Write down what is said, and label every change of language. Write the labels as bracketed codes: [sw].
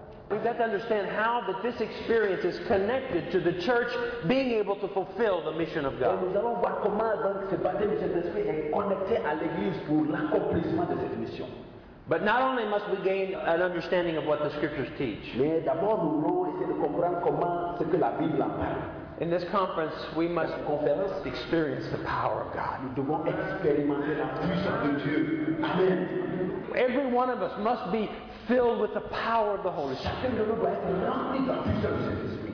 [en] We've got to understand how that this experience is connected to the church being able to fulfill the mission of God. [fr] Nous allons voir comment donc ce baptême du Saint-Esprit est connecté à l'Église pour l'accomplissement de cette mission. [en] But not only must we gain an understanding of what the Scriptures teach. [fr] Mais d'abord nous devons essayer de comprendre comment ce que la Bible en parle. [en] In this conference, we must experience the power of God. [fr] Nous devons expérimenter la puissance de Dieu. Amen. [en] Every one of us must be filled with the power of the Holy Spirit.